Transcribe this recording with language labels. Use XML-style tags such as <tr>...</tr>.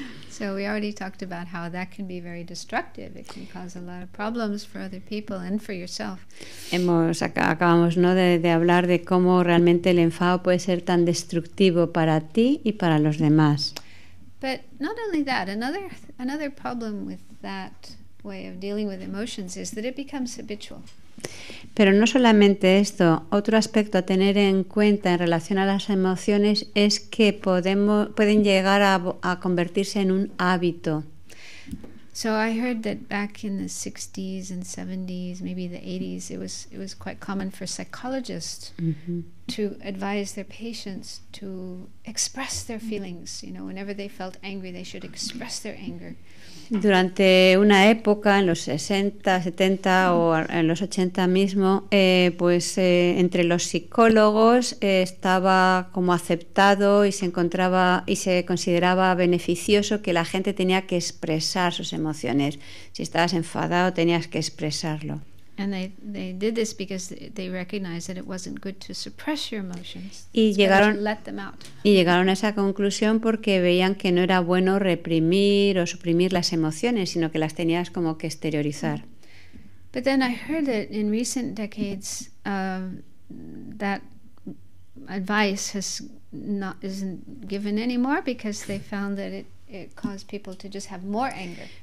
<en>So we already talked about how that can be very destructive. It can cause a lot of problems for other people and for yourself.</en> <es>Acabamos, ¿no?, de hablar de cómo realmente el enfado puede ser tan destructivo para ti y para los demás.</es> <en>But not only that, another problem with that way of dealing with emotions is that it becomes habitual.</en> <es>Pero no solamente esto, otro aspecto a tener en cuenta en relación a las emociones es que pueden llegar a convertirse en un hábito.</es> <en>So I heard that back in the 60s and 70s, maybe the 80s, it was quite common for psychologists to advise their patients to express their feelings. You know, whenever they felt angry, they should express their anger.</en> <es>Durante una época, en los 60, 70 o en los 80 mismo, entre los psicólogos estaba como aceptado y se consideraba beneficioso que la gente tenía que expresar sus emociones. Si estabas enfadado, tenías que expresarlo.</es> <en>And they did this because they recognized that it wasn't good to suppress your emotions.</en> <es>Y llegaron a esa conclusión porque veían que no era bueno reprimir o suprimir las emociones, sino que las tenías como que exteriorizar.</es> <en>But then I heard that in recent decades that advice isn't given anymore because they found that it caused people to just have more anger.</en>